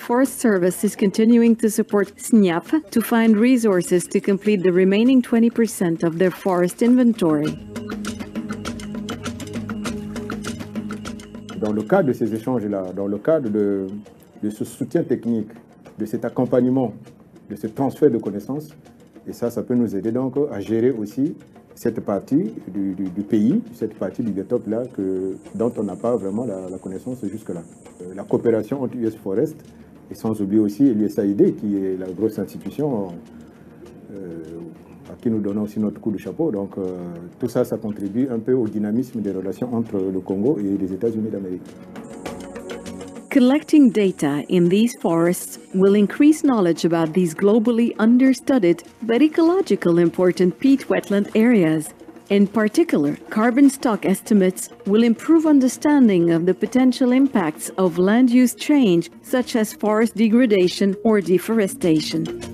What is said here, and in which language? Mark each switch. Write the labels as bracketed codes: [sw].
[en] Forest Service is continuing to support CINIAF to find resources to complete the remaining 20% of their forest inventory. [fr] Dans le cadre de ces échanges-là, dans le cadre de ce soutien technique, de cet accompagnement, de ce transfert de connaissances, et ça, ça peut nous aider donc à gérer aussi cette partie du pays, cette partie du biotope là que dont on n'a pas vraiment la connaissance jusque-là. La coopération entre US Forest et sans oublier aussi l'USAID qui est la grosse institution à qui nous donnons aussi notre coup de chapeau. Donc tout ça, ça contribue un peu au dynamisme des relations entre le Congo et les États-Unis d'Amérique. [en] Collecting data in these forests will increase knowledge about these globally understudied but ecologically important peat wetland areas. In particular, carbon stock estimates will improve understanding of the potential impacts of land use change, such as forest degradation or deforestation.